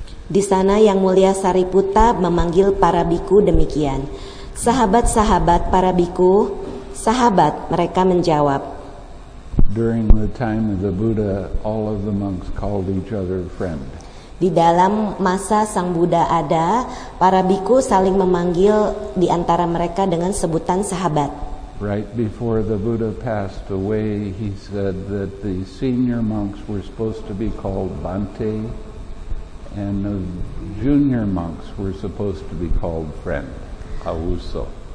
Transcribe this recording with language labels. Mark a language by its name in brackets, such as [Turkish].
[Indonesian] Di sana Yang Mulia Sariputta memanggil para bhikkhu demikian. Sahabat-sahabat para bhikkhu, sahabat, mereka menjawab. [English] During the time of the Buddha, all of the monks called each other friend. [Indonesian] Di dalam masa Sang Buddha ada, para bhikkhu saling memanggil di antara mereka dengan sebutan sahabat. [English] Right before the Buddha passed away, he said that the senior monks were supposed to be called Bante, and the junior monks were supposed to be called friend, Ahuso.